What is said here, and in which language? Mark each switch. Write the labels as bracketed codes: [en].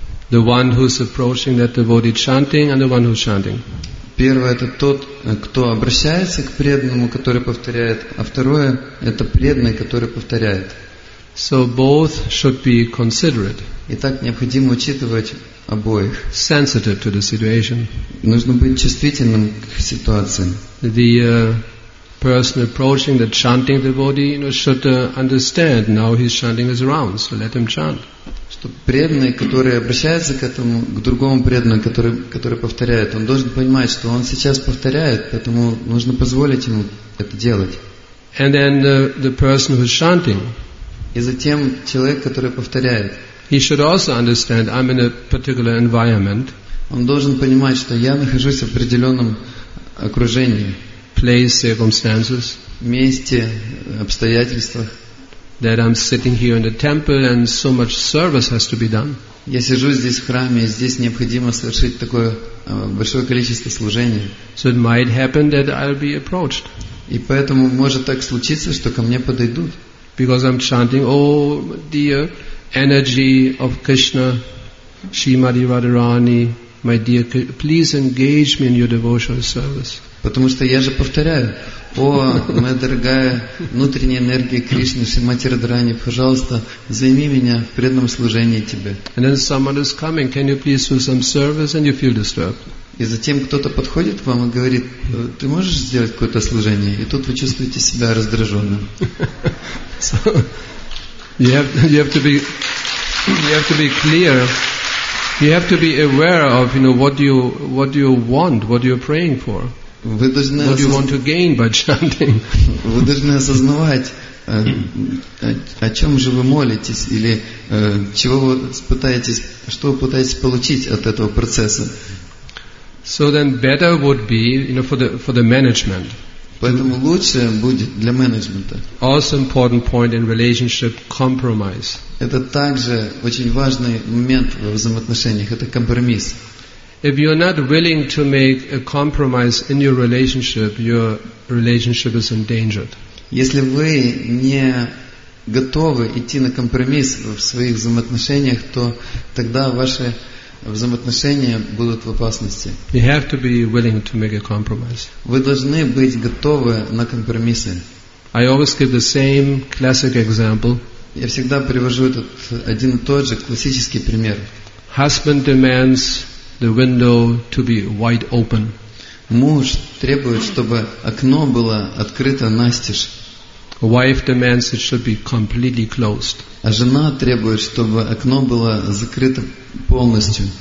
[en] The one who's approaching that devotee chanting and the one who's chanting. [ru] Первое — это тот, кто обращается к преданному, который повторяет, а второе — это преданный, который повторяет. [en] So both should be considerate. [ru] Итак, необходимо учитывать обоих. [en] Sensitive to the situation. [ru] Нужно быть чувствительным к ситуации. [en] The person approaching, the chanting devotee, should understand now he's chanting his rounds, so let him chant. [ru] Чтобы преданный, который обращается к этому, к другому преданному, который повторяет, он должен понимать, что он сейчас повторяет, поэтому нужно позволить ему это делать. [en] And then the person who's chanting. [ru] И затем человек, который повторяет. [en] He should also understand I'm in a particular environment. [ru] Он должен понимать, что я нахожусь в определенном окружении. [en] Place, circumstances. [ru] Месте, обстоятельствах. [en] That I'm sitting here in the temple and so much service has to be done. [ru] Я сижу здесь в храме, и здесь необходимо совершить такое большое количество служения. [en] So it might happen that I'll be approached. [ru] И поэтому может так случиться, что ко мне подойдут. [en] Because I'm chanting, oh dear, energy of Krishna, Srimati Radharani, my dear, please engage me in your devotional service. [ru] Потому что я же повторяю, о, моя дорогая внутренняя энергия Кришны, Шримати Радхарани, пожалуйста, займи меня в преданном служении тебе. [en] And then someone is coming, can you please do some service, and you feel disturbed. [ru] И затем кто-то подходит к вам и говорит, ты можешь сделать какое-то служение? И тут вы чувствуете себя раздраженным. [en] So, you have to be clear. You have to be aware of, you know, what you want, what you're praying for. What you want to gain by chanting. [ru] Вы должны осознавать, о чем же вы молитесь, или чего вы пытаетесь, что вы пытаетесь получить от этого процесса. [en] So then better would be, you know, for the management. [ru] Поэтому лучше будет для менеджмента. [en] Also important point in relationship, compromise. [ru] Это также очень важный момент в взаимоотношениях, это компромисс. [en] If you're not willing to make a compromise in your relationship is endangered. [ru] Если вы не готовы идти на компромисс в своих взаимоотношениях, то тогда ваши взаимоотношения будут в опасности. [en] You have to be willing to make a compromise. [ru] Вы должны быть готовы на компромиссы. [en] I always give the same classic example. [ru] Я всегда привожу этот один и тот же классический пример. [en] Husband demands the window to be wide open. [ru] Муж требует, чтобы окно было открыто настежь. [en] Wife demands it should be completely closed. [ru] А жена требует, чтобы окно было закрыто полностью.